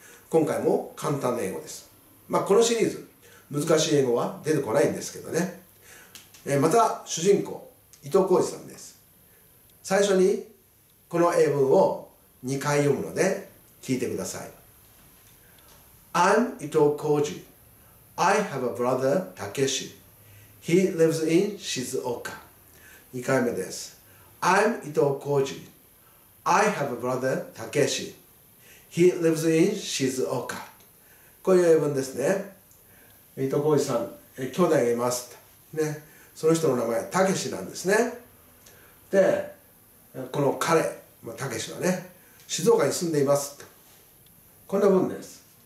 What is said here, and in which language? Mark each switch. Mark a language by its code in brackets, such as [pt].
[ja] 今回も簡単な英語です。まあこのシリーズ難しい英語は出てこないんですけどね。また主人公伊藤浩司さんです。最初にこの英文を2回読むので聞いてください。 [en] I'm Ito Koji. I have a brother, Takeshi. He lives in Shizuoka. [ja] 2回目です。 [en] I'm Ito Koji. I have a brother, Takeshi. He lives in Shizuoka. [ja] こういう英文ですね。伊藤浩司さん、兄弟がいます、ね。その人の名前は Takeshi なんですね。で、この彼、Takeshi はね、静岡に住んでいます。こんな文です。